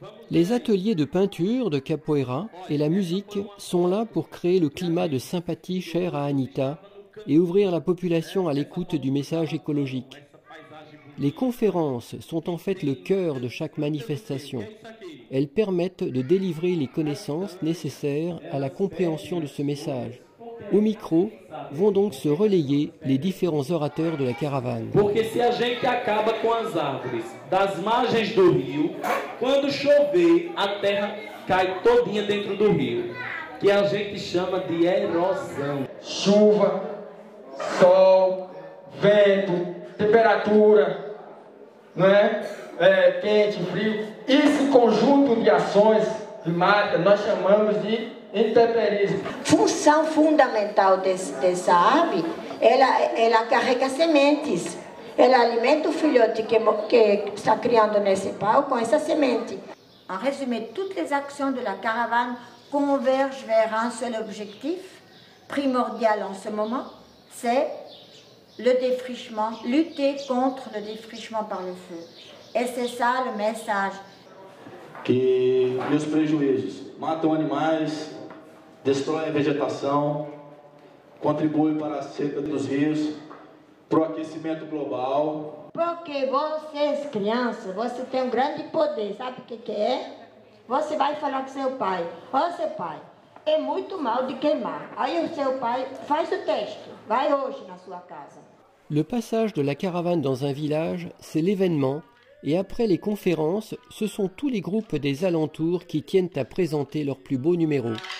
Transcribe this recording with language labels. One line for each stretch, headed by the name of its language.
French: Les ateliers de peinture, de capoeira et la musique sont là pour créer le climat de sympathie cher à Anita et ouvrir la population à l'écoute du message écologique. Les conférences sont en fait le cœur de chaque manifestation. Elles permettent de délivrer les connaissances nécessaires à la compréhension de ce message. Au micro vont donc se relayer les différents orateurs de la caravane.
Portuguese: Porque si a gente acaba com as árvores das margens do rio, quando chover, a terra cai todinha dentro do rio, que a gente chama de erosão. Chuva, sol, vento, temperatura, não é? Quente, frio. Esse conjunto de ações climáticas nós chamamos de intemperismo. Função fundamental dessa ave, ela carrega sementes. Ela alimenta o filhote que está criando nesse pau com essa semente.
French: En résumé, toutes les actions de la caravane convergent vers un seul objectif primordial en ce moment, c'est le défrichement, lutter contre le défrichement par le feu. Et c'est ça le message.
Portuguese: Que os prejuízos matam animais, destrói a vegetação, contribui para a seca dos rios, para o aquecimento global. Porque vocês, crianças, você tem um grande poder, sabe o que é? Você vai falar com seu pai, ó seu pai, é muito mal de queimar. Aí o seu pai faz o teste, vai hoje na sua casa.
French: Le passage de la caravane dans un village, c'est l'événement. Et après les conférences, ce sont tous les groupes des alentours qui tiennent à présenter leurs plus beaux numéros.